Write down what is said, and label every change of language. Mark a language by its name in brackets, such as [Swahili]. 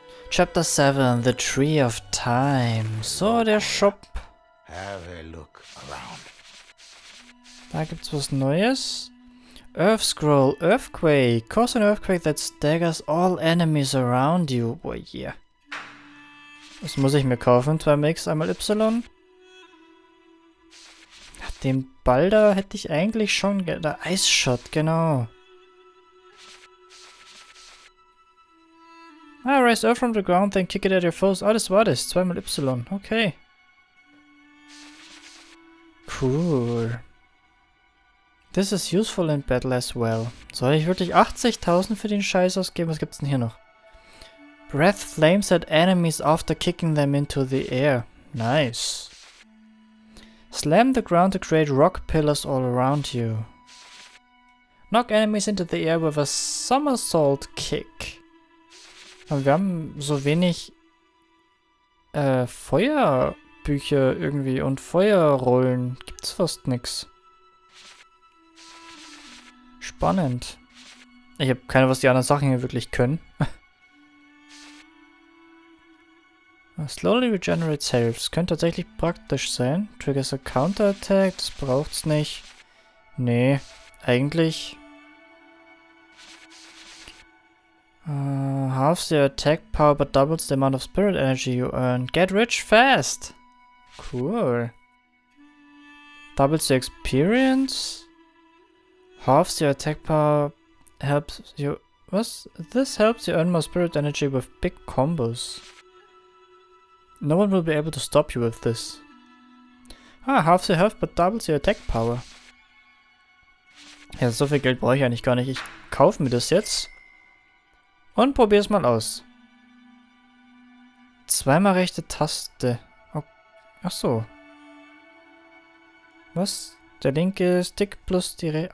[English] Chapter 7, The Tree of Time. So, [German] der Shop. [English] Have a look around. [German] Da gibt's was Neues. Earth Scroll, Earthquake. [English] Cause an earthquake that staggers all enemies around you. Boy, yeah. [German] Das muss ich mir kaufen, 2x, einmal Y. Ja, den Ball da hätte ich eigentlich schon, der Ice Shot, genau. [English] Ah, raise Earth from the ground, then kick it at your foes. [German] Ah, das war das, 2x Y, okay. [English] Cool. This is useful in battle as well. [German] Soll ich wirklich 80.000 für den Scheiß ausgeben? Was gibt's denn hier noch? [English] Breath flames at enemies after kicking them into the air. Nice. Slam the ground to create rock pillars all around you. Knock enemies into the air with a somersault kick. [German] Aber wir haben so wenig Feuerbücher irgendwie und Feuerrollen. Gibt's fast nix. Spannend. Ich habe keine Ahnung, was die anderen Sachen hier wirklich können. [English] Slowly regenerates health. [German] Das könnte tatsächlich praktisch sein. [English] Triggers a counterattack. [German] Das braucht's nicht. Nee, eigentlich. [English] Halves your attack power, but doubles the amount of spirit energy you earn. Get rich fast! Cool. Doubles your experience. Halves your attack power helps you. Was? This helps you earn more spirit energy with big combos. No one will be able to stop you with this. Ah, halves your health, but doubles your attack power. [German] Ja, so viel Geld brauche ich eigentlich gar nicht. Ich kaufe mir das jetzt. Und probier's mal aus. Zweimal rechte Taste. Oh, ach so. Was? Der linke Stick plus die rechte.